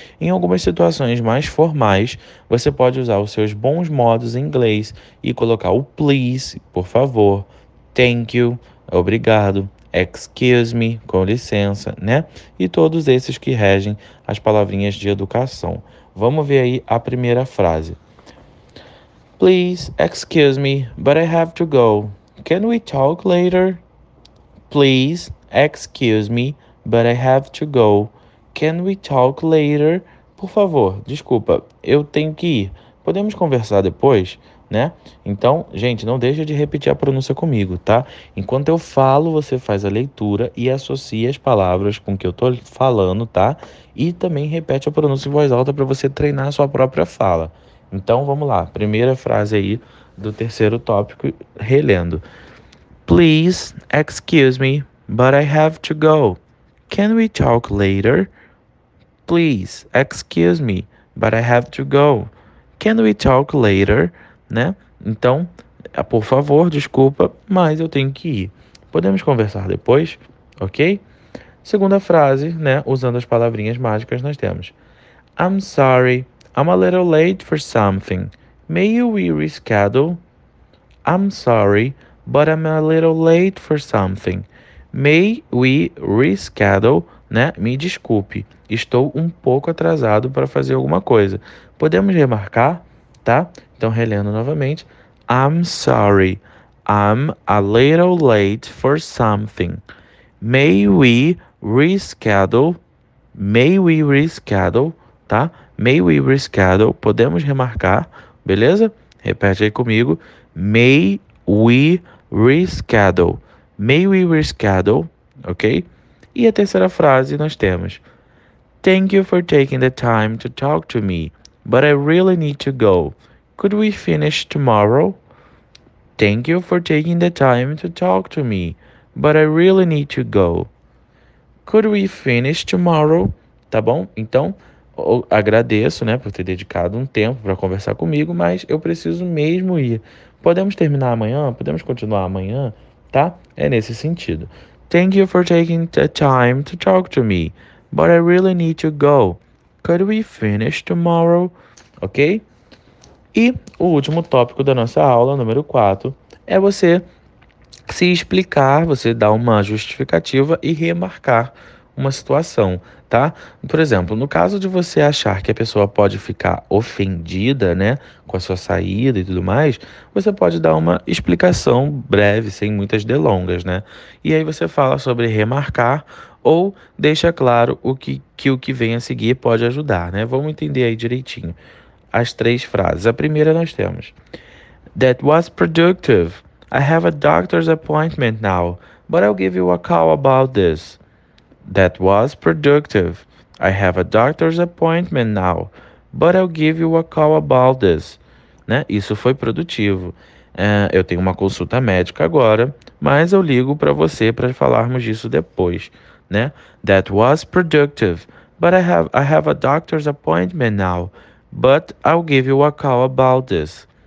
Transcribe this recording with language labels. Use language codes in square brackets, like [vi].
[pt] Em algumas situações mais formais, você pode usar os seus bons modos em inglês e colocar o please, por favor, thank you, obrigado, [en] excuse me, [pt] com licença, né? E todos esses que regem as palavrinhas de educação. Vamos ver aí a primeira frase. [en] Please, excuse me, but I have to go. Can we talk later? Please, excuse me, but I have to go. Can we talk later? [pt] Por favor, desculpa, eu tenho que ir. Podemos conversar depois, né? Então, gente, não deixa de repetir a pronúncia comigo, tá? Enquanto eu falo, você faz a leitura e associa as palavras com que eu tô falando, tá? E também repete a pronúncia em voz alta para você treinar a sua própria fala. Então, vamos lá. Primeira frase aí do terceiro tópico, relendo. [en] Please, excuse me, but I have to go. Can we talk later? Please, excuse me, but I have to go. Can we talk later? [pt] Né? Então, por favor, desculpa, mas eu tenho que ir. Podemos conversar depois, ok? Segunda frase, né? Usando as palavrinhas mágicas, nós temos: [en] I'm sorry, I'm a little late for something. May we reschedule? I'm sorry, but I'm a little late for something. May we reschedule? [pt] Né? Me desculpe, estou um pouco atrasado para fazer alguma coisa. Podemos remarcar? Tá? Então, relendo novamente. [en] I'm sorry. I'm a little late for something. May we reschedule? May we reschedule? [pt] Tá? [en] May we reschedule? [pt] Podemos remarcar? Beleza? Repete aí comigo. [en] May we reschedule? May we reschedule? Ok? [pt] E a terceira frase nós temos: [en] Thank you for taking the time to talk to me, but I really need to go. Could we finish tomorrow? Thank you for taking the time to talk to me, but I really need to go. Could we finish tomorrow? [pt] Tá bom? Então, eu agradeço, né, por ter dedicado um tempo para conversar comigo, mas eu preciso mesmo ir. Podemos terminar amanhã? Podemos continuar amanhã? Tá? É nesse sentido. [en] Thank you for taking the time to talk to me, but I really need to go. Could we finish tomorrow? Ok? [pt] E o último tópico da nossa aula, número 4, é você se explicar, você dar uma justificativa e remarcar uma situação, tá? Por exemplo, no caso de você achar que a pessoa pode ficar ofendida, né, com a sua saída e tudo mais, você pode dar uma explicação breve, sem muitas delongas, né? E aí você fala sobre remarcar ou deixa claro o que vem a seguir pode ajudar, né? Vamos entender aí direitinho as três frases. A primeira nós temos: [en] That was productive. I have a doctor's appointment now, but I'll give you a call about this. That was productive. I have a doctor's appointment now, but I'll give you a call about this. [pt] Né? Isso foi produtivo. Eu tenho uma consulta médica agora, mas eu ligo para você para falarmos disso depois. Né? [en] That was productive. But I have a doctor's appointment now, but I'll give you a call about this.